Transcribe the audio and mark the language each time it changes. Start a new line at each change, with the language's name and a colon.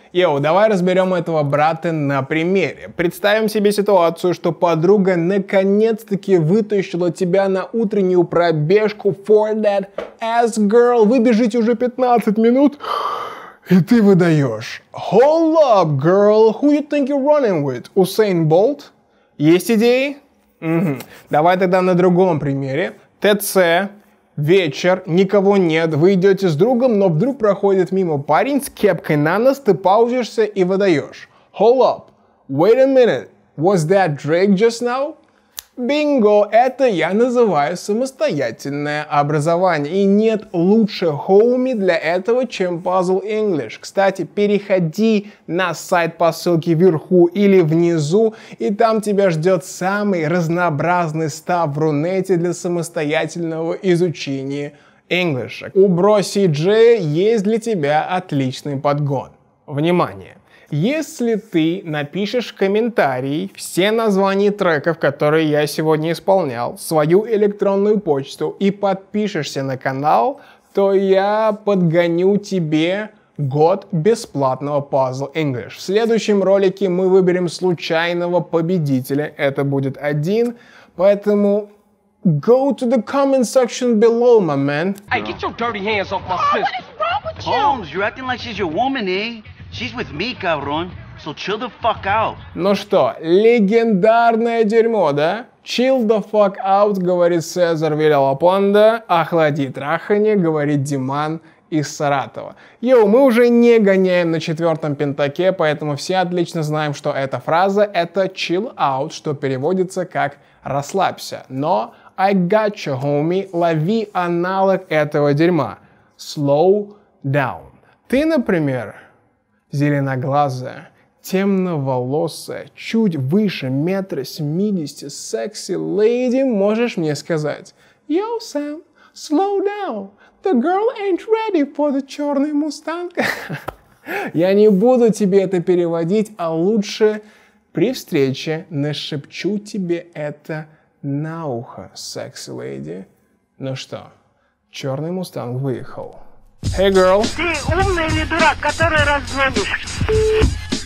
Russian: Йо, давай разберем этого брата на примере. Представим себе ситуацию, что подруга наконец-таки вытащила тебя на утреннюю пробежку
English: for that ass girl.
Russian: Вы бежите уже 15 минут, и ты выдаешь.
English: Hold up, girl, who you think you're running with?
Russian: Usain Bolt? Есть идеи? Давай тогда на другом примере. ТЦ, вечер, никого нет, вы идете с другом, но вдруг проходит мимо парень с кепкой на нос, ты паузишься и выдаешь.
English: Hold up, wait a minute, was that Drake just now?
Russian: Бинго, это я называю самостоятельное образование. И нет лучше хоуми для этого, чем Puzzle English. Кстати, переходи на сайт по ссылке вверху или внизу, и там тебя ждет самый разнообразный став в Рунете для самостоятельного изучения English. У Бро Си Джея есть для тебя отличный подгон. Внимание! Если ты напишешь в комментарии все названия треков, которые я сегодня исполнял, свою электронную почту и подпишешься на канал, то я подгоню тебе год бесплатного Puzzle English. В следующем ролике мы выберем случайного победителя, это будет один, поэтому
English: go to the comment section below, my man. Hey, get your dirty hands off my sister. Oh, what is wrong with you? Holmes, you're acting like she's your woman, eh? She's with me, cabron. So chill the fuck out.
Russian: Ну что, легендарное дерьмо, да?
English: Chill the fuck out,
Russian: говорит
English: Цезарь Вилла-Лапонда.
Russian: Охлади трахани, говорит Диман из Саратова. Йоу, мы уже не гоняем на четвертом пентаке, поэтому все отлично знаем, что эта фраза — это chill out, что переводится как «расслабься». Но
English: I gotcha, homie,
Russian: лови аналог этого дерьма.
English: Slow down.
Russian: Ты, например... Зеленоглазая, темноволосая, чуть выше 1.70 м, секси леди, можешь мне сказать?
English: Yo, Sam, slow down, the girl ain't ready for the
Russian: черный мустанг. Я не буду тебе это переводить, а лучше при встрече нашепчу тебе это на ухо, секси леди. Ну что, черный мустанг выехал.
English: Hey, girl.
Russian: Ты умный или дурак, который раззвонишь?